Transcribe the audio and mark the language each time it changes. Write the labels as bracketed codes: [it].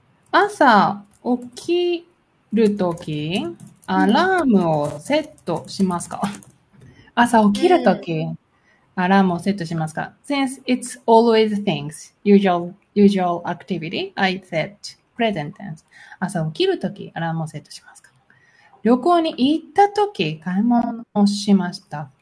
[ja] 朝起きるとき、アラームをセットしますか？朝起きるとき、アラームをセットしますか？ [en] Since it's always things, usual activity, I set present tense. [ja] 朝起きるとき、アラームをセットしますか？旅行に行ったとき、買い物をしました。